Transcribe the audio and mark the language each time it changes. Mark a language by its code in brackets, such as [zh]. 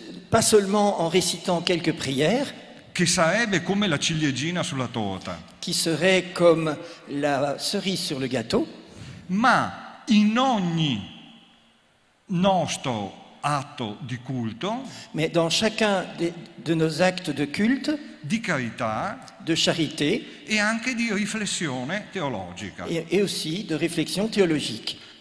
[fr] Pas seulement en récitant quelques prières. [it] Che sarebbe come la ciliegina sulla torta. [fr] Qui serait comme la cerise sur le gâteau. [it] Ma in ogni nostro atto di culto. [fr] Mais dans chacun de nos actes de culte. [it] Di carità. [fr] De charité. [it] E anche di riflessione teologica. [fr] Et aussi de réflexion théologique.